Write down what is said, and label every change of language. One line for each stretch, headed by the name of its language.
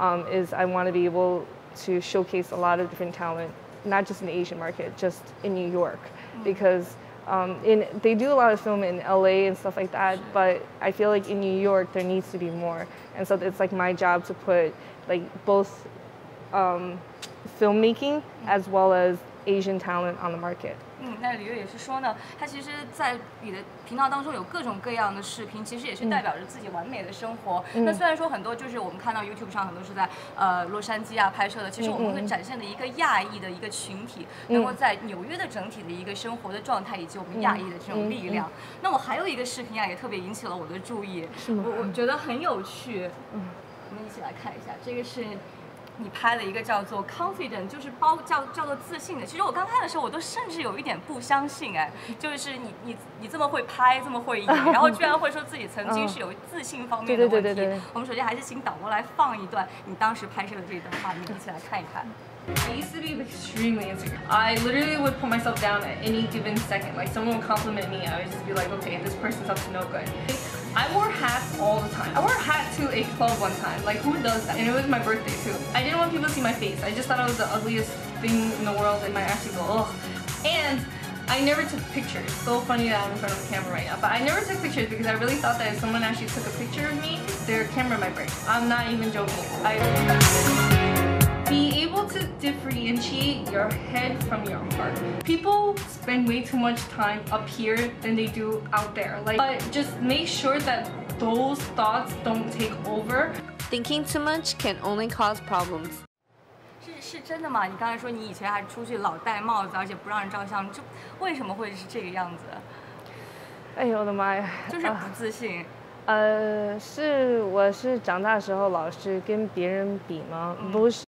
English: Is I want to be able to showcase a lot of different talent, not just in the Asian market, just in New York. Because they do a lot of film in LA and stuff like that, but I feel like in New York there needs to be more. And so it's like my job to put like both filmmaking as well as Asian talent on the market.
Chinese: 那李月也是说呢，他其实在你的频道当中有各种各样的视频，其实也是代表着自己完美的生活。那虽然说很多就是我们看到 YouTube 上很多是在洛杉矶啊拍摄的，其实我们会展现的一个亚裔的一个群体，然后在纽约的整体的一个生活的状态以及我们亚裔的这种力量。那我还有一个视频啊，也特别引起了我的注意，我觉得很有趣。我们一起来看一下，这个是你拍了一个叫做 confident， 就是包叫做自信的。其实我刚看的时候，我都甚至有一点不相信，哎，就是你这么会拍，这么会演，然后居然会说自己曾经是有自信方面的问题。对对对对对。我们首先还是请导播来放一段你当时拍摄的这一段画面，一起来看一看。
English: I used to be extremely insecure. I literally would put myself down at any given second. Like someone would compliment me, I would just be like, okay, this person's up to no good. I wore hats all the time. I wore a hat to a club one time. Like who does that? And it was my birthday too. I didn't want people to see my face. I just thought I was the ugliest thing in the world and my actually go, ugh. And I never took pictures. So funny that I'm in front of the camera right now. But I never took pictures because I really thought that if someone actually took a picture of me, their camera might break. I'm not even joking. Be able to differentiate your head from your heart. People spend way too much time up here than they do out there. Like, but just make sure that those thoughts don't take over. Thinking too much can only cause problems.
Chinese: 是真的吗？你刚才说你以前还出去老戴帽子，而且不让人照相，就为什么会是这个样子？哎呦我的妈呀！就是不自信。是我是长大时候老是跟别人比吗？不是。